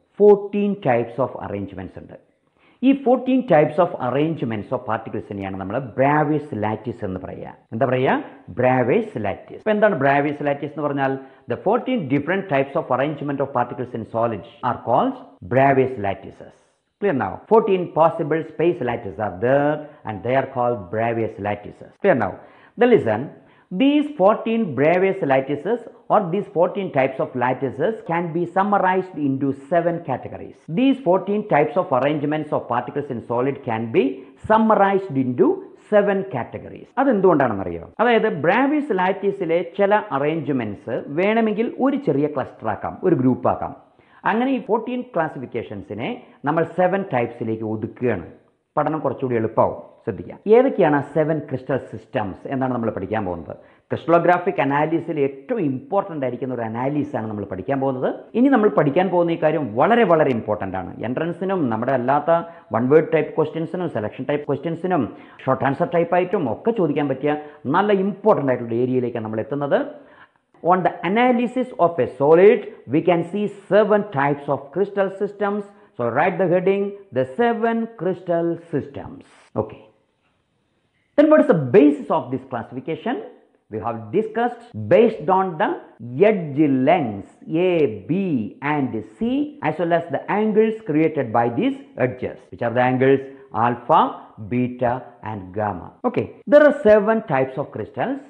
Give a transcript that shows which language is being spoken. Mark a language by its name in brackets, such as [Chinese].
[Malayalam] 14 types of arrangements ഉണ്ട്. ഈ 14 types of arrangements of പാർട്ടിക്കിൾസിനെയാണ് നമ്മൾ ബ്രാവിസ് ലാറ്റിസ് എന്ന് പറയുക. എന്താ പറയുക? ബ്രാവിസ് ലാറ്റിസ്. അപ്പോൾ എന്താണ് ബ്രാവിസ് ലാറ്റിസ് എന്ന് പറഞ്ഞാൽ, [English] The 14 different types of arrangement of particles in solids are called Bravais lattices. Clear now? 14 possible space lattice are there and they are called Bravais lattices. Clear now? The listen, these 14 Bravais lattices or these 14 types of lattices can be summarized into 7 categories. These 14 types of arrangements of particles in solid can be summarized into 7 categories. [Malayalam] അത് എന്തുകൊണ്ടാണെന്ന് അറിയോ? അതായത് ബ്രാവിസ് ലാറ്റിസിലെ ചില arrangements വേണമെങ്കിൽ ഒരു ചെറിയ cluster ആക്കാം, ഒരു ഗ്രൂപ്പ് ആക്കാം. അങ്ങനെ ഈ 14 ക്ലാസിഫിക്കേഷൻസിനെ നമ്മൾ 7 ടൈപ്സിലേക്ക് ഒതുക്കുകയാണ്. പഠനം കുറച്ചുകൂടി എളുപ്പമാവും. ശ്രദ്ധിക്കാം, ഏതൊക്കെയാണ് 7 ക്രിസ്റ്റൽ സിസ്റ്റംസ് എന്നാണ് നമ്മൾ പഠിക്കാൻ പോകുന്നത്. ക്രിസ്റ്റലോഗ്രാഫിക് അനാലിസിൽ ഏറ്റവും ഇമ്പോർട്ടൻ്റ് ആയിരിക്കുന്ന ഒരു അനാലിസാണ് നമ്മൾ പഠിക്കാൻ പോകുന്നത്. ഇനി നമ്മൾ പഠിക്കാൻ പോകുന്ന ഈ കാര്യം വളരെ വളരെ ഇമ്പോർട്ടൻ്റ് ആണ്. എൻട്രൻസിനും നമ്മുടെ അല്ലാത്ത one word type ക്വസ്റ്റ്യൻസിനും selection type ക്വസ്റ്റ്യൻസിനും short answer type ആയിട്ടും ഒക്കെ ചോദിക്കാൻ പറ്റിയ നല്ല ഇമ്പോർട്ടൻ്റ് ആയിട്ടുള്ള ഏരിയയിലേക്കാണ് നമ്മൾ എത്തുന്നത്. [English] On the analysis of a solid we can see 7 types of crystal systems. So write the heading, the 7 crystal systems. Okay, then what is the basis of this classification? We have discussed based on the edge lengths A, B and C as well as the angles created by these edges. Which are the angles? Alpha, Beta and Gamma. Okay, there are 7 types of crystals.